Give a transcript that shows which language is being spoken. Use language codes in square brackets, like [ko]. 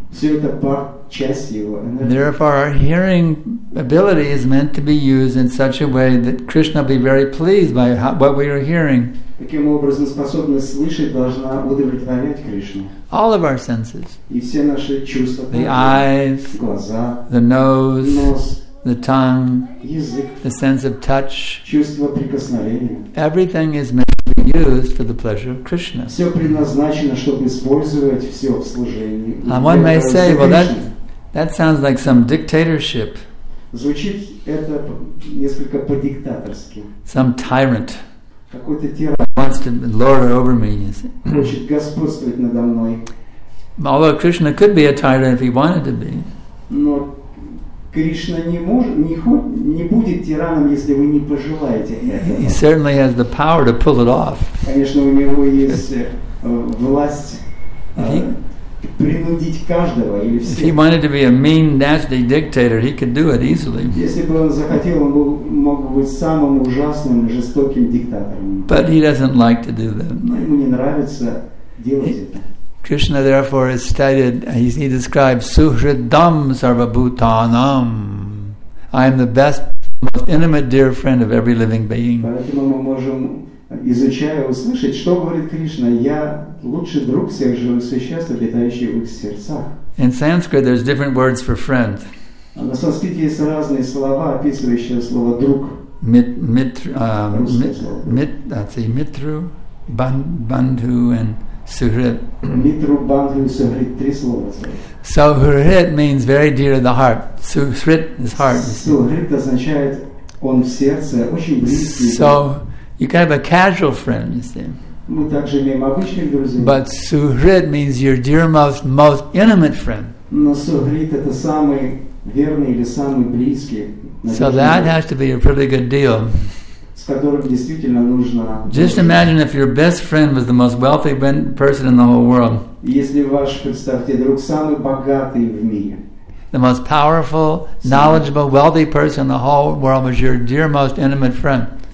[en] Therefore, our hearing ability is meant to be used in such a way that Krishna will be very pleased by what we are hearing. [ru] Таким образом, способность слышать должна удовлетворять Кришну. [en] All of our senses. [ru] И все наши чувства. [en] The eyes. [ru] Глаза. [en] The nose. [ru] Нос. [en] The tongue. [ru] Язык. [en] The sense of touch. [ru] Чувство прикосновения. [en] Everything is meant to be used for the pleasure of Krishna. [ru] Все предназначено, чтобы использовать все в служении. [en] And one may say, well, that, That sounds like some dictatorship. [ru] Звучит это несколько по-диктаторски. [en] Some tyrant. [ru] Какой-то тиран. [en] Wants to lord over me. [ru] Хочет господствовать надо мной. [en] Although Krishna could be a tyrant if he wanted to be. [ru] Но Кришна не может, не будет тираном, если вы не пожелаете этого. [en] He certainly has the power to pull it off. [ru] Конечно, у него есть власть. Принудить каждого или всех. [en] If he wanted to be a mean, nasty dictator, he could do it easily. [ru] Если бы он захотел, он мог быть самым ужасным, жестоким диктатором. [en] But he doesn't like to do that. [ru] Но ему не нравится делать это. [en] Krishna, therefore, is stated, he describes Suhridam Sarvabhutanam. I am the best, most intimate dear friend of every living being. [ru] Поэтому мы можем, изучая, услышать, что говорит Кришна. Я лучший друг всех живых существ, обитающих в их сердцах. [en] In Sanskrit, there's different words for friend. [ru] На санскрите есть разные слова, описывающие слово друг. [en] Митру, Бандху, and Suhrit. Mitru, Bandhu, Suhrit, three slova. So Suhrit means very dear to the heart. Suhrit is heart. [ru] Suhrit означает он в сердце, очень близкий. [en] So you can have a casual friend, you see. [ru] Мы также имеем обычных друзей. [en] But Suhrit means your dearmost, most intimate friend. [ru] Но Suhrit это самый верный или самый близкий. [en] So that has to be a pretty good deal. Just imagine if your best friend was the most wealthy person in the whole world. The most powerful, knowledgeable, wealthy person in the whole world was your dear, most intimate friend.